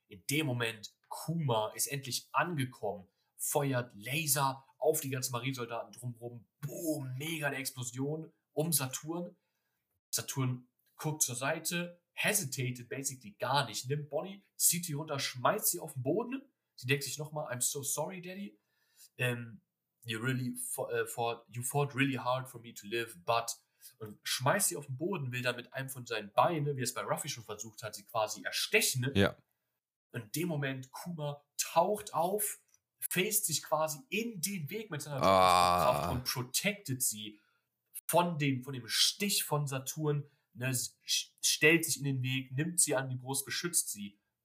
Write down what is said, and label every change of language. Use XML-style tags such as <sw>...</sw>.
<de>In dem Moment, Kuma ist endlich angekommen, feuert Laser auf die ganzen Marinesoldaten drumherum. Boom, mega eine Explosion um Saturn. Saturn guckt zur Seite, hesitated basically gar nicht, nimmt Bonnie, zieht sie runter, schmeißt sie auf den Boden. Sie denkt sich nochmal,</de> <en>I'm so sorry, Daddy. You fought really hard for me to live, but...</en> <de>Und schmeißt sie auf den Boden, will dann mit einem von seinen Beinen, wie es bei Ruffy schon versucht hat, sie quasi erstechen. Ja. In dem Moment, Kuma taucht auf, faced sich quasi in den Weg mit seiner Kraft und protected sie von dem Stich von Saturn, ne, stellt sich in den Weg, nimmt sie an die Brust, beschützt sie.</de>